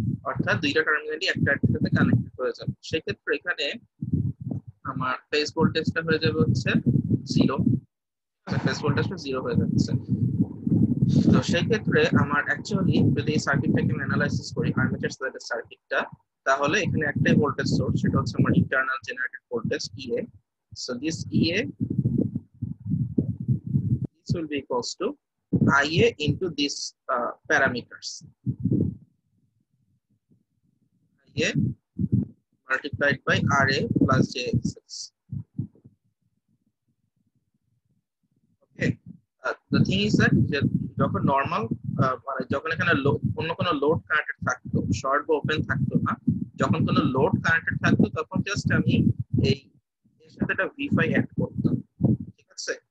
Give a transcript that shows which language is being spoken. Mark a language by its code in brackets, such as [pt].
[bn] অর্থাৎ দুইটা টার্মিনালই একটা একটার সাথে কানেক্টেড হয়ে যাবে। সেই ক্ষেত্রে এখানে আমার ফেজ ভোল্টেজটা হয়ে যাবে হচ্ছে জিরো, ফেজ ভোল্টেজটা জিরো হয়ে যাচ্ছে। তো সেই ক্ষেত্রে আমার অ্যাকচুয়ালি যদি এই সার্কিটটাকে অ্যানালাইসিস করি, আর্মেচার সার্কিটের সার্কিটটা, তাহলে এখানে একটাই ভোল্টেজ সোর্স, সেটা হচ্ছে আমার internal generated voltage EA. [en] So this E A will be equals to IA into these parameters. IA multiplied by RA plus JXX. Okay. The thing is that [bn] যখন নর্মাল মানে যখন এখানে অন্য কোনো লোড কানেক্টেড থাকতো, শর্ট বা ওপেন থাকতো না, যখন কোনো লোড কানেক্টেড থাকতো তখন জাস্ট আমি এই এর সাথে একটা ভি ফাই অ্যাড করতাম, ঠিক আছে?